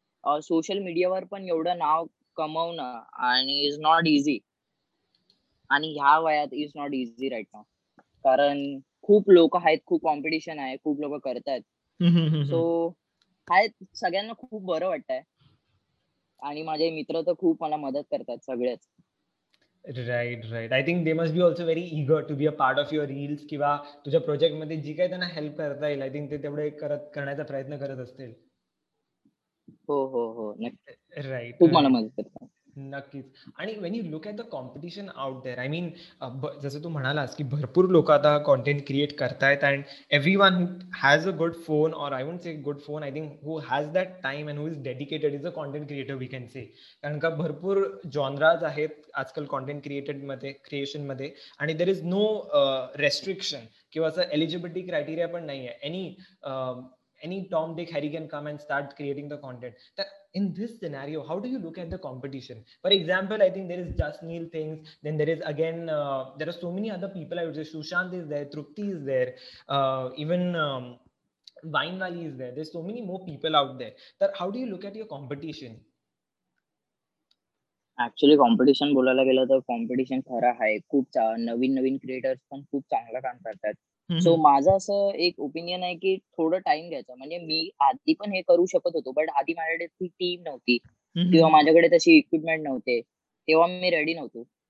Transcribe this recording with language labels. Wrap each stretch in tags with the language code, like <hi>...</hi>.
<mr>But social मीडियावर पण एवढं नाव कमवणं आणि</mr> <en>is not easy</en> <mr>आणि ह्या वयात</mr> <en>is not easy right now</en> <mr>कारण खूप लोक आहेत खूप कॉम्पिटिशन आहे खूप लोक करतायत. सो आहेत सगळ्यांना खूप बरं वाटतंय आणि माझे मित्र तर खूप मला मदत करतात सगळेच.</mr> <en>Right. I think they must be also very eager to be a part of your reels</en> <mr>kiwa tujha project madhe ji kay tana help karta hai.</mr> <en>I think</en> <mr>te tevade karnyacha prayatna karat astel. Ho</mr> <en>right</en> <mr>khup mala madat karta नक्कीच.</mr> <en>आणि when you look at the competition out there I mean</en> <mr>जसं तू म्हणालास की भरपूर लोक आता content create करतायत</mr> <en>and everyone who has a good phone or I won't say good phone I think who has that time and who is dedicated is a content creator we can say</en> <mr>कारण का भरपूर genres आहेत आजकाल content क्रिएटेडमध्ये क्रिएशनमध्ये आणि</mr> <en>there is no restriction</en> <mr>किंवा असं eligibility criteria पण नाही आहे.</mr> <en>Any any Tom, Dick, Harry can come and start creating the content. That in this scenario, how do you look at the competition? For example, I think there is Just Neil things. Then there is again, there are so many other people. I would say Sushant is there, Trupti is there, even Vine Valley is there. There's so many more people out there. That how do you look at your competition?</en> <mr>Actually competition बोलायला गेलं तर competition खरं आहे. खूप नवीन नवीन creators पण खूप चांगलं काम करतात. सो माझं असं एक ओपिनियन आहे की थोडं टाइम घ्यायचं. म्हणजे मी आधी पण हे करू शकत होतो, बट आधी माझ्याकडे ती टीम नव्हती किंवा माझ्याकडे तशी इक्विपमेंट नव्हते, तेव्हा मी रेडी नव्हतो.</mr>